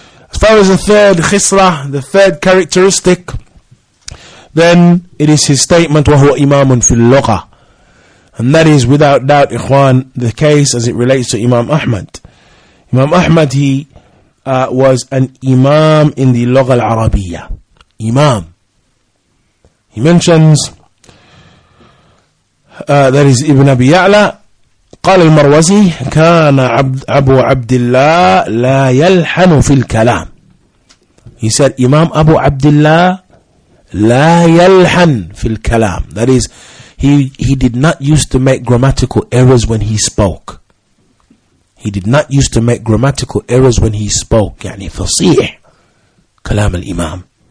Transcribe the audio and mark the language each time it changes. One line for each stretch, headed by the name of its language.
English: As far as the third khisra, the third characteristic, then it is his statement,
Arabic: وَهُوَ إِمَامٌ فِي اللُّغَةِ.
English: And that is without doubt, ikhwan, the case as it relates to Imam Ahmad. Imam Ahmad, he was an imam in the lugha al-arabiyya. Imam. He mentions, that is Ibn Abi Ya'la,
Arabic: قال المروزي كان أبو عبد الله لا يلحن في الكلام.
English: He said Imam Abu Abdullah
Arabic: لا يلحن في الكلام.
English: That is, he did not used to make grammatical errors when he spoke. He did not used to make grammatical errors when he spoke.
Arabic: يعني فصيح كلام الإمام.